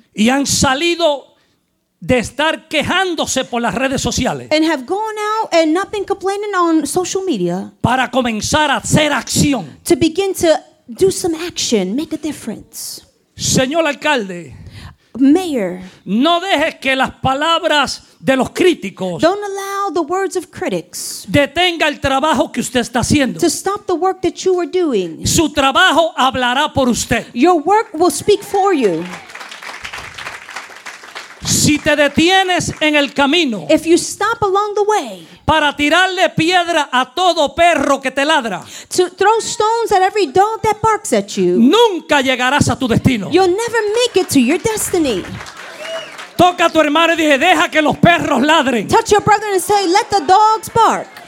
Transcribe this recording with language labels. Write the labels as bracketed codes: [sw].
[es] Y han salido de estar quejándose por las redes sociales. [en] And have gone out and not been complaining on social media. [es] Para comenzar a hacer acción. [en] To begin to do some action, make a difference. [es] Señor alcalde. [en] Mayor. [es] No dejes que las palabras de los críticos. [en] Don't allow the words of critics. [es] Detenga el trabajo que usted está haciendo. [en] To stop the work that you are doing. [es] Su trabajo hablará por usted. [en] Your work will speak for you. [es] Si te detienes en el camino. [en] If you stop along the way. [es] Para tirarle piedra a todo perro que te ladra. [en] To throw stones at every dog that barks at you. [es] Nunca llegarás a tu destino. [en] You'll never make it to your destiny. [es] Toca a tu hermano y dije, deja que los perros ladren. [en] Touch your brother and say, let the dogs bark.